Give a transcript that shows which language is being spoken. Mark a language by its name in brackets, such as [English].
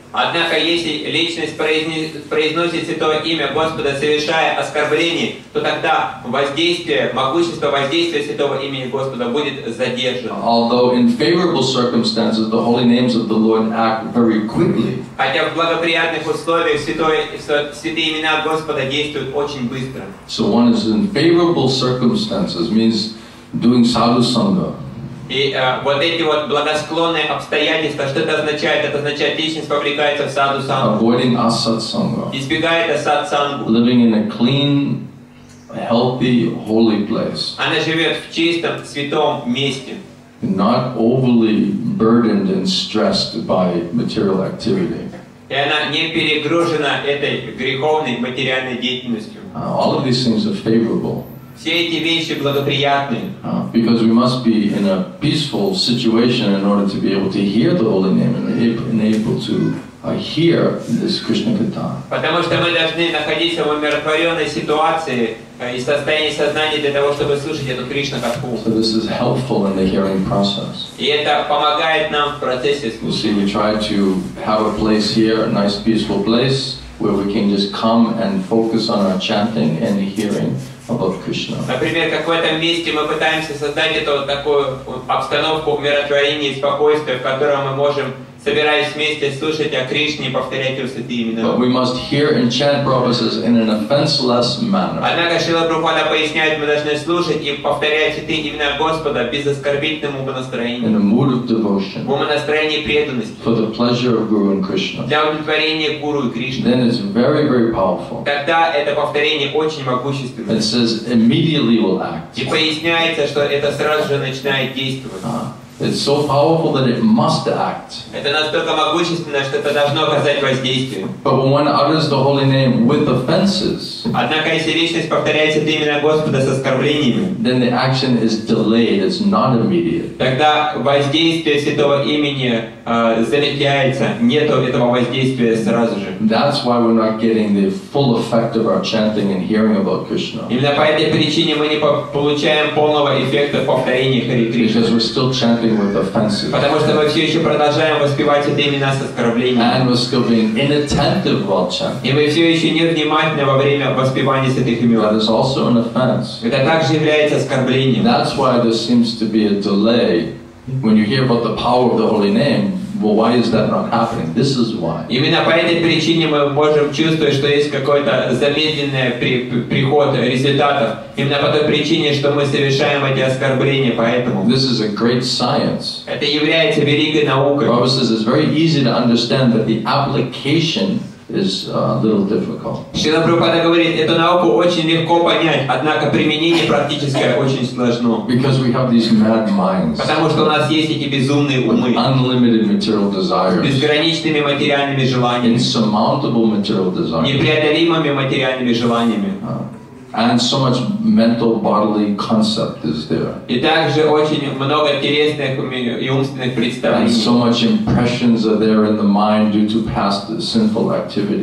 [Russian] Однако, если личность произносит Святое Имя Господа, совершая оскорбление, то тогда воздействие, могущество воздействия Святого Имени Господа будет задержано. [English] Although in favorable circumstances, the holy names of the Lord act very quickly. [Russian] Хотя в благоприятных условиях святые имена Господа действуют очень быстро. [English] So one is in favorable circumstances, means doing sadhu sangha. [Russian] И вот эти вот благосклонные обстоятельства, что это означает? Это означает, личность вовлекается в саду-сангу. [English] Avoiding asat-sangha. [Russian] Избегает асат-сангу. [English] Living in a clean, healthy, holy place. [Russian] Она живет в чистом, святом месте. [English] Not overly burdened and stressed by material activity. [Russian] И она не перегружена этой греховной материальной деятельностью. [English] All of these things are favorable. [Russian] Все эти вещи благоприятны. [English] Because we must be in a peaceful situation in order to be able to hear the holy name and able to hear this Krishna-katha. [Russian] Потому что мы должны находиться в умиротворенной ситуации, из состояния сознания для того, чтобы слушать эту Кришна-катху. [English] So this is helpful in the hearing process. [Russian] И это помогает нам в процессе слушания. [English] You see, we try to have a place here, a nice peaceful place, where we can just come and focus on our chanting and hearing about Krishna. [Russian] Например, как в этом месте мы пытаемся создать эту вот такую обстановку умиротворения и спокойствия, в котором мы можем, собираясь вместе, слушать о Кришне и повторять его святые имена. [English] But we must hear and chant promises in an offenseless manner. [Russian] Однако Шрила Прабхупада поясняет, мы должны слушать и повторять святые имена Господа без оскорбительного умонастроения. [English] In a mood of devotion. [Russian] В умонастроении преданности. [English] For the pleasure of Guru and Krishna. [Russian] Для удовлетворения Гуру и Кришны. [English] Then it's very, very powerful. [Russian] Тогда это повторение очень могущественное. [English] It says immediately will act. [Russian] И поясняется, что это сразу же начинает действовать. [English] It's so powerful that it must act. [Russian] Это настолько могущественно, что это должно оказать воздействие. [English] But when one utters the holy name with offenses, [Russian] однако если личность повторяет святые имена Господа с оскорблениями, [English] then the action is delayed. It's not immediate. [Russian] Тогда воздействие святого имени замедляется. Нету этого воздействия сразу же. [English] That's why we're not getting the full effect of our chanting and hearing about Krishna. [Russian] Именно по этой причине мы не получаем полного эффекта повторения Хари Кришны. [English] Because we're still chanting. [Russian] Потому что мы все еще продолжаем воспевать эти имена с оскорблением. И мы все еще невнимательны во время воспевания святых имен. Это также является оскорблением. [English] That's why there seems to be a delay when you hear about the power of the holy name. Well, why is that not happening? This is why. [Russian] Именно по этой причине мы можем чувствовать, что есть какой-то замедленный приход результатов. Именно по той причине, что мы совершаем эти оскорбления, поэтому. [English] This is a great science. [Russian] Это является великой наукой. [English] Prabhupada says it's very easy to understand that the application is a little difficult. [Russian] Шрила Прабхупада говорит, эту науку очень легко понять, однако применение практическое очень сложно. [English] Because we have these mad minds. [Russian] Потому что у нас есть эти безумные умы. [English] Unlimited material desires. [Russian] Безграничными материальными желаниями. [English] Insurmountable material desires. [Russian] Непреодолимыми материальными желаниями. [English] And so much mental bodily concept is there. [Russian] И также очень много интересных и умственных представлений. [English] And so much impressions are there in the mind due to past sinful activity.